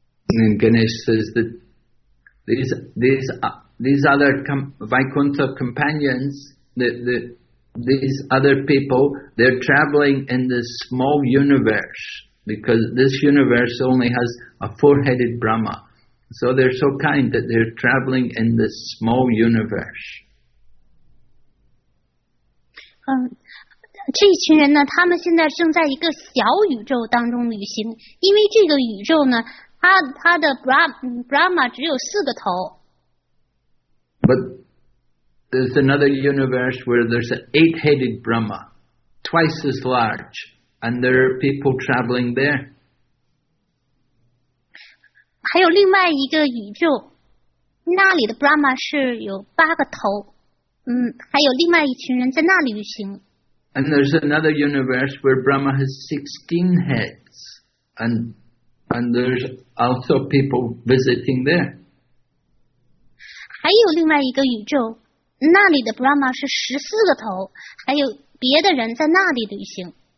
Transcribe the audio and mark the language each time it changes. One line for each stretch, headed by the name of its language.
English: And Ganesh says that these other Vaikuntha companions, these other people, they're traveling in this small universe because this universe only has a four-headed Brahma.So they're so kind that they're traveling in this small universe.
Chinese: 这一群人呢，他们现在正在一个小宇宙当中旅行，因为这个宇宙呢，他的 Brahma 只有四个头。
English: But there's another universe where there's an eight-headed Brahma, twice as large, and there are people traveling there.
Chinese: 还有另外一个宇宙，那里的 Brahma 是有八个头，还有另外一群人在那里旅行。
English: And there's another universe where Brahma has 16 heads, and there's also people visiting there.
Chinese: 还有另外一个宇宙，那里的 Brahma 是14个头，还有别的人在那里旅行。